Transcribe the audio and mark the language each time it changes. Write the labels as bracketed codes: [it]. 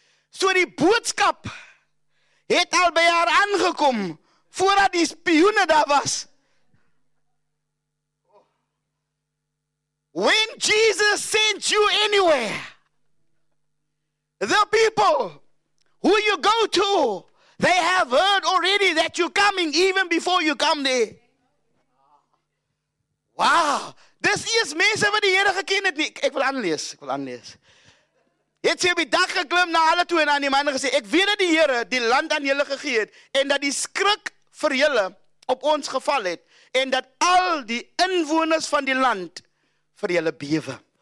[af] So die boodskap het al by haar aangekom voordat die spioene daar was. [en] When Jesus sent you anywhere, the people who you go to, they have heard already that you're coming even before you come there. [af] Wow, dis is mense wat die Here geken het nie. Ek wil aanlees. Het sy op die dak geklim na hulle toe en aan die manne gesê, ek weet dat die Here die land aan julle gegee het en dat die skrik vir julle op ons geval het en dat al die inwoners van die land vir julle bewe.